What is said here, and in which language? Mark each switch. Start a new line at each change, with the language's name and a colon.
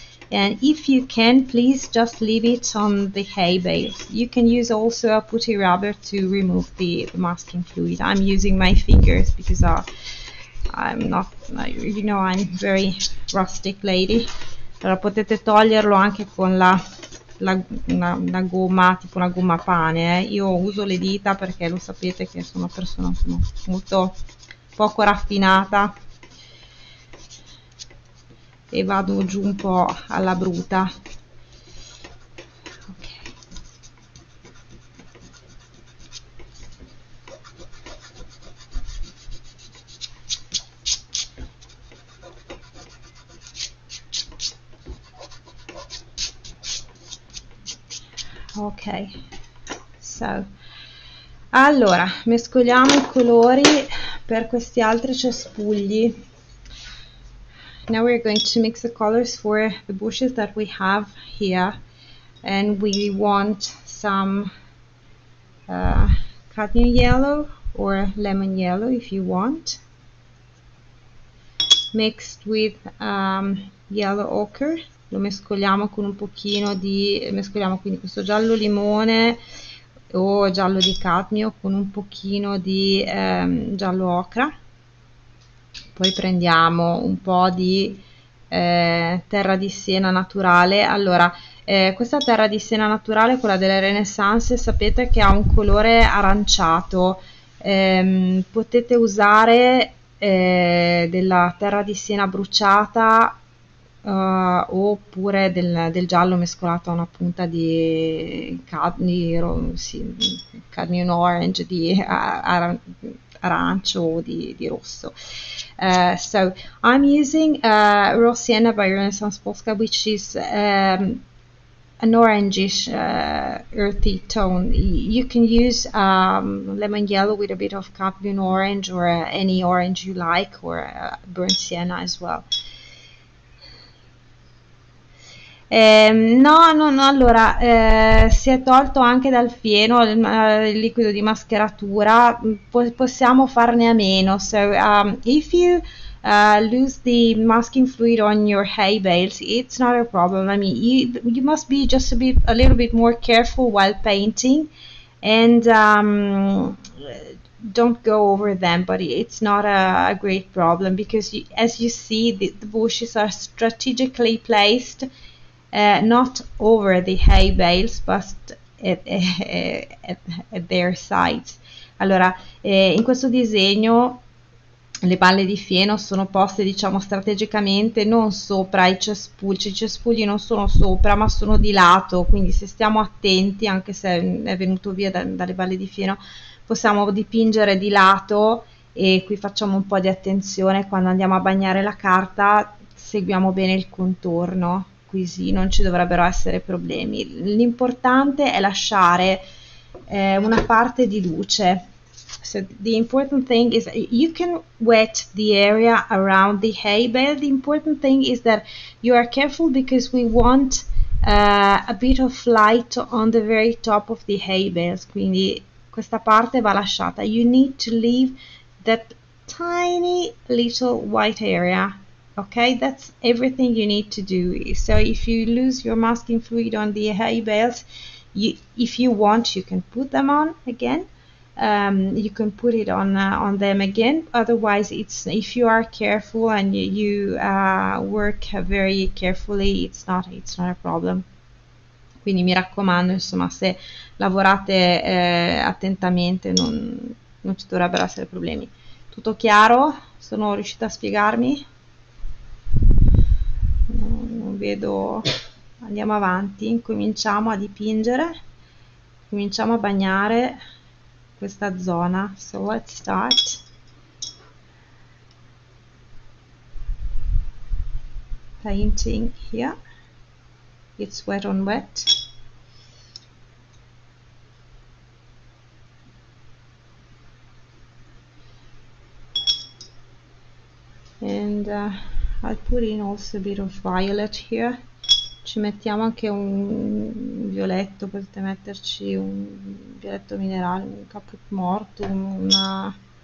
English: And if you can, please just leave it on the hay bales. You can use also a putty rubber to remove the masking fluid. I'm using my fingers because I'm very rustic lady.
Italian: Però potete toglierlo anche con una gomma, tipo una gomma pane. Io uso le dita perché lo sapete che sono una persona molto poco raffinata e vado giù un po' alla bruta.
English: Ok, so.
Italian: Allora, mescoliamo i colori per questi altri cespugli.
English: Now we're going to mix the colors for the bushes that we have here, and we want some cadmium yellow or lemon yellow if you want, mixed with yellow ochre.
Italian: Lo mescoliamo con un pochino di, mescoliamo quindi questo giallo limone o giallo di cadmio con un pochino di giallo ocra. Poi prendiamo un po' di terra di siena naturale. Allora, questa terra di siena naturale, quella delle Renaissance, sapete che ha un colore aranciato. Potete usare della terra di siena bruciata. Oppure del giallo mescolato a una punta di cadmio, sì, cadmium orange, di arancio o di rosso.
English: So I'm using Rossiena by Renaissance Posca, which is an orangish earthy tone. You can use lemon yellow with a bit of cadmium orange or any orange you like, or burnt sienna as well.
Italian: No, no, no, allora, si è tolto anche dal fieno il liquido di mascheratura, possiamo farne a meno.
English: So, if you lose the masking fluid on your hay bales, it's not a problem. I mean, you must be just a little bit more careful while painting and don't go over them, but it's not a great problem because as you see, the bushes are strategically placed. Not over the hay bales, but at their sides.
Italian: Allora, in questo disegno Le balle di fieno sono poste, diciamo, strategicamente non sopra i cespugli, i cespugli non sono sopra, ma sono di lato, quindi se stiamo attenti, anche se è venuto via dalle balle di fieno, possiamo dipingere di lato e qui facciamo un po' di attenzione, quando andiamo a bagnare la carta seguiamo bene il contorno, così non ci dovrebbero essere problemi. L'importante è lasciare, una parte di luce.
English: So the important thing is you can wet the area around the hay bale. The important thing is that you are careful because we want a bit of light on the very top of the hay bales.
Italian: Quindi questa parte va lasciata.
English: You need to leave that tiny little white area. Okay, that's everything you need to do. So if you lose your masking fluid on the hay bales, if you want, you can put them on again. You can put it on them again. Otherwise, it's if you are careful and you work very carefully, it's not a problem.
Italian: Quindi mi raccomando, insomma, se lavorate attentamente non ci dovrebbero essere problemi. Tutto chiaro? Sono riuscita a spiegarmi? Non vedo. Andiamo avanti, incominciamo a dipingere, cominciamo a bagnare questa zona.
English: So let's start. Painting here. It's wet on wet. And I'll put in also a bit of violet here.
Italian: Ci mettiamo anche un violetto, potete metterci un violetto minerale, un caput morto, una.